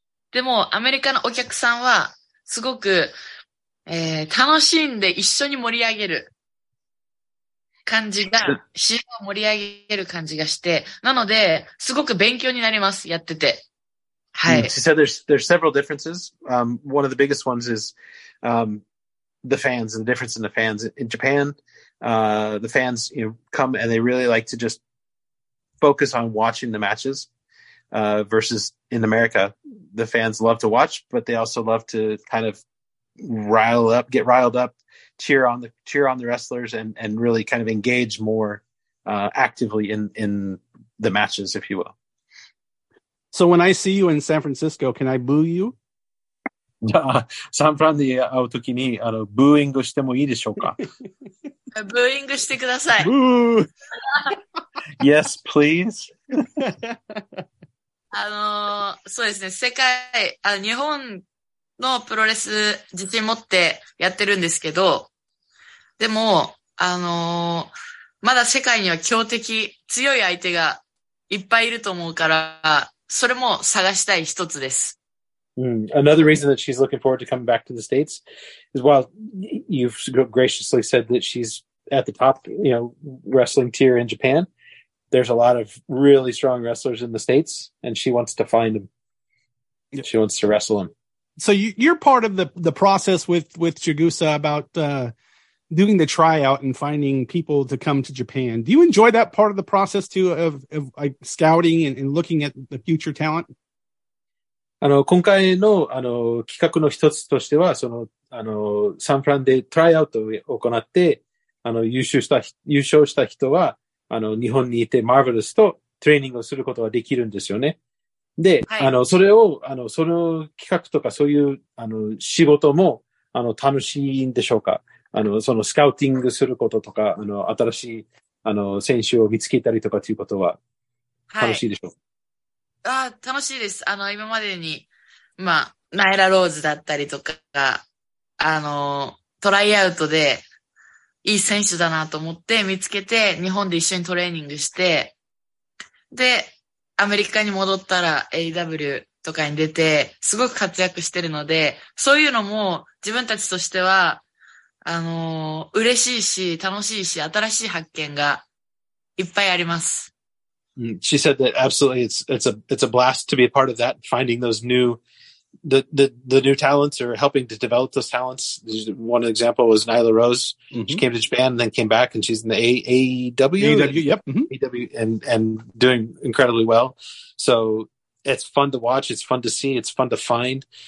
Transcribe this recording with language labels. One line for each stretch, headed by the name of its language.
Japanese: でも、アメリカのお客さんは、すごく、楽しんで一緒に盛り上げる。感じが、試合を盛り上げる感じがして、なので、すごく勉強になります、やってて。はい。
English: She said there's several differences. One of the biggest ones is, the fans and the difference in the fans in Japan. The fans, you know, come and they really like to just focus on watching the matches, versus in America, the fans love to watch, but they also love to kind of rile up, get riled up. Cheer on the wrestlers and really kind of engage more actively in the matches, if you will. So when I see you in San Francisco, can I boo you?
Japanese: サンフランで会うときにブーイングしてもいいでしょうか。ブーイングしてください。
English: Yes, please.
Japanese: そうですね。世界日本のプロレス自信持ってやってるんですけど。でも、まだ世界には強敵、強い相手がいっぱいいると思うから、それも探したい一つです。
English: Another reason that she's looking forward to coming back to the States is while you've graciously said that she's at the top, you know, wrestling tier in Japan, there's a lot of really strong wrestlers in the States and she wants to find them. She wants to wrestle them. So you're part of the process with Chigusa about, doing the tryout and finding people to come to Japan. Do you enjoy that part of the process too of like scouting and looking at the future talent?
Japanese: 今回の企画の一つとしては、サンフランでトライアウトを行って、優勝した人は、日本にいてマーベルスとトレーニングをすることができるんですよね。で、はい、それを、その企画とかそういう、仕事も、楽しいんでしょうか。そのスカウティングすることとか、新しい、選手を見つけたりとかということは、楽しいでしょう。はい、楽しいです。今までに、まあ、ナイラ・ローズだったりとか、トライアウトで、いい選手だなと思って見つけて、日本で一緒にトレーニングして、で、アメリカに戻ったら AW とかに出て、すごく活躍してるので、そういうのも、自分たちとしては、嬉しいし、楽しいし、新しい発見がいっぱいあります。
English: She said that absolutely it's a blast to be a part of that, finding those new, the new talents or helping to develop those talents. One example was Nyla Rose. Mm-hmm. She came to Japan and then came back and she's in the AEW. Yep. Mm-hmm. AEW and doing incredibly well. So it's fun to watch. It's fun to see. It's fun to find.